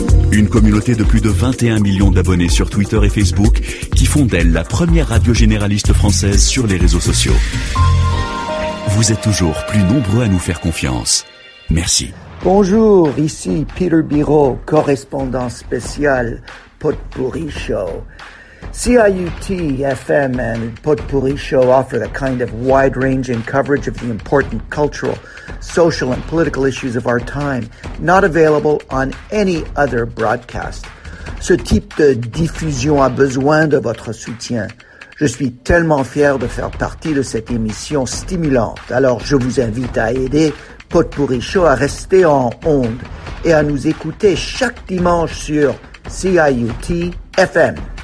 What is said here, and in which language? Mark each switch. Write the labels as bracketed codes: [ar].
[fr] Une communauté de plus de 21 millions d'abonnés sur Twitter et Facebook qui font d'elle la première radio généraliste française sur les réseaux sociaux. Vous êtes toujours plus nombreux à nous faire confiance. Merci. Bonjour, ici Peter Biraud, correspondant spécial Potpourri Show. [en] CIUT FM and Potpourri Show offer a kind of wide-ranging coverage of the important cultural, social, and political issues of our time, not available on any other broadcast. [fr] Ce type de diffusion a besoin de votre soutien. Je suis tellement fier de faire partie de cette émission stimulante. Alors, je vous invite à aider Potpourri Show à rester en onde et à nous écouter chaque dimanche sur CIUT FM.